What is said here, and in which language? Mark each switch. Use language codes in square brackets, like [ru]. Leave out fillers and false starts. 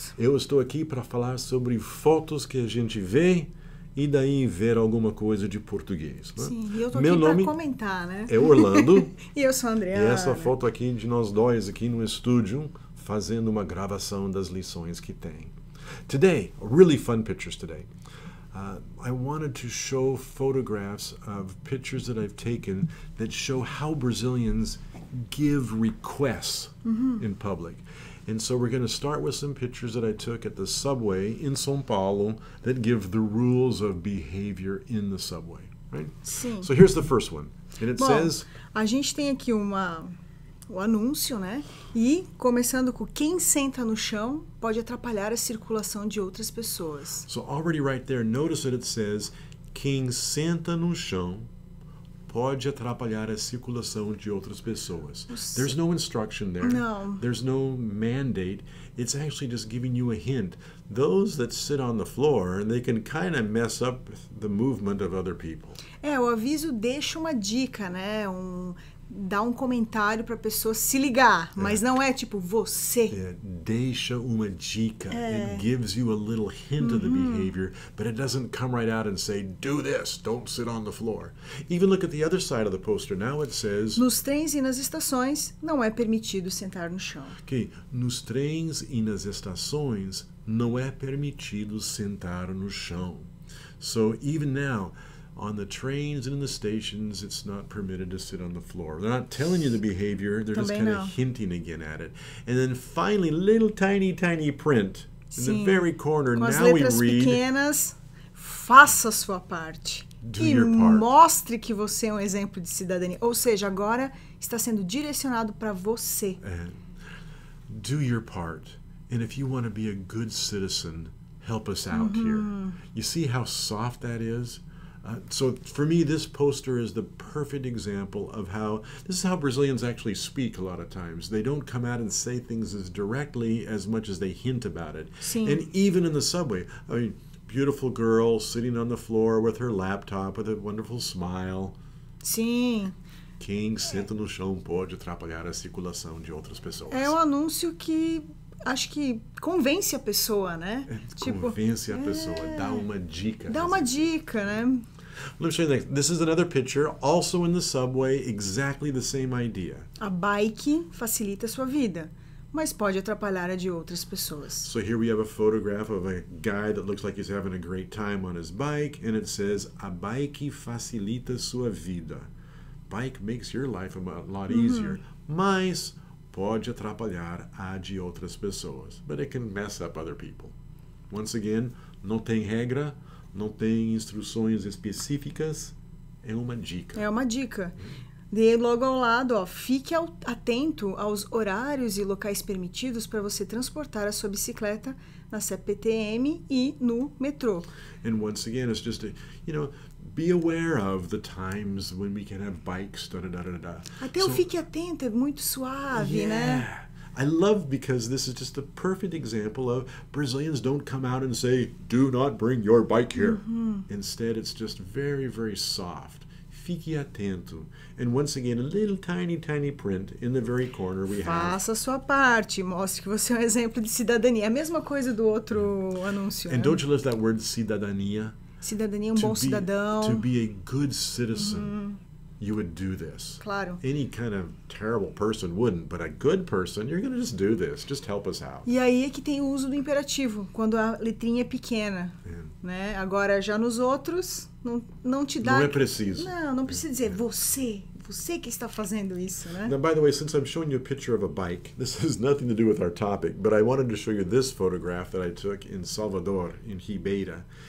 [pt] Eu estou aqui para falar sobre fotos que a gente vê e daí ver alguma coisa de português. Né? Sim, eu estou aqui para comentar, né? É Orlando. E eu sou a Andrea. E essa foto aqui de nós dois aqui no estúdio fazendo uma gravação das lições que tem. [en] Today, really fun pictures today. I wanted to show photographs of pictures that I've taken that show how Brazilians give requests in public. And so we're going to start with some pictures that I took at the subway in São Paulo that give the rules of behavior in the subway, right? [pt] Sim. [en] So here's the first one. And it says... [pt] a gente tem aqui um anúncio, né? E começando com quem senta no chão pode atrapalhar a circulação de outras pessoas. [en] So already right there, notice that it says [pt] quem senta no chão pode atrapalhar a circulação de outras pessoas. [en] There's no instruction there. No. There's no mandate. It's actually just giving you a hint. Those that sit on the floor, they can kind of mess up the movement of other people. [pt] É, o aviso deixa uma dica, né? Dá um comentário para a pessoa se ligar, mas não é tipo você. É, deixa uma dica. É. [en] It gives you a little hint of the behavior, but it doesn't come right out and say, do this, don't sit on the floor. Even look at the other side of the poster. Now it says... [pt] nos trens e nas estações, não é permitido sentar no chão. Ok. Nos trens e nas estações, não é permitido sentar no chão. [en] So, even now... on the trains and in the stations, it's not permitted to sit on the floor. They're not telling you the behavior. They're [pt] também [en] just kind of hinting again at it. And then finally, little tiny, tiny print. [pt] Sim. [en] In the very corner, [pt] com [en] now we read... [pt] pequenas, faça a sua parte. [en] Do your part. [pt] E mostre que você é um exemplo de cidadania. Ou seja, agora está sendo direcionado para você. [en] And do your part. And if you want to be a good citizen, help us out here. You see how soft that is? So for me, this poster is the perfect example of how, this is how Brazilians actually speak a lot of times. They don't come out and say things as directly as much as they hint about it. [pt] Sim. [en] And even in the subway, I mean, beautiful girl sitting on the floor with her laptop with a wonderful smile. [pt] Sim. Quem senta no chão pode atrapalhar a circulação de outras pessoas. É um anúncio que... acho que convence a pessoa, né? Convence tipo, a pessoa. Dá uma dica. Dá uma dica, né? [en] Let me show you next. This is another picture, also in the subway, exactly the same idea. [pt] A bike facilita a sua vida, mas pode atrapalhar a de outras pessoas. [en] So here we have a photograph of a guy that looks like he's having a great time on his bike, and it says, [pt] a bike facilita a sua vida. [en] Bike makes your life a lot easier. Mas... [pt] pode atrapalhar a de outras pessoas. [en] But it can mess up other people. Once again, [pt] não tem regra, não tem instruções específicas. É uma dica. É uma dica. De logo ao lado, ó, fique atento aos horários e locais permitidos para você transportar a sua bicicleta na CPTM e no metrô. [en] And once again, it's just a, you know, be aware of the times when we can have bikes, da-da-da-da-da. [pt] Até so, o fique atento, é muito suave, [en] yeah. [pt] Né? [en] I love because this is just a perfect example of Brazilians don't come out and say, do not bring your bike here. Instead, it's just very, very soft. [pt] Fique atento. [en] And once again, a little tiny, tiny print in the very corner we have. [pt] Faça a sua parte. Mostre que você é um exemplo de cidadania. A mesma coisa do outro anúncio. [en] And [pt] né? [en] Don't you love that word, cidadania? [pt] Cidadania, um to bom be, cidadão. [en] To be a good citizen, you would do this. [pt] Claro. [en] Any kind of terrible person wouldn't, but a good person, you're going to just do this. Just help us out. [pt] E aí é que tem o uso do imperativo, quando a letrinha é pequena. Né? Agora, já nos outros, não te dá... Não é preciso. Não precisa dizer, você que está fazendo isso, né? [en] Now, by the way, since I'm showing you a picture of a bike, this has nothing to do with our topic, but I wanted to show you this photograph that I took in Salvador, in Ribeira.